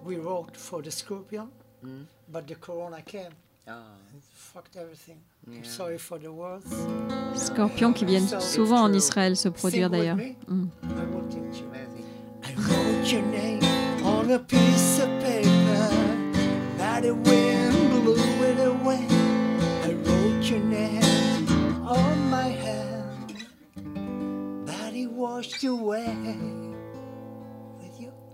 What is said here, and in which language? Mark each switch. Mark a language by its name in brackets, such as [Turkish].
[English] We wrote for the Scorpion, but the Corona came. Fucked everything. I'm sorry for the words. [French] Scorpions qui viennent souvent en Israël se produire d'ailleurs. [English] I wrote your name on a piece of paper that the wind blew it away. I wrote your name on my hand that it washed away with you.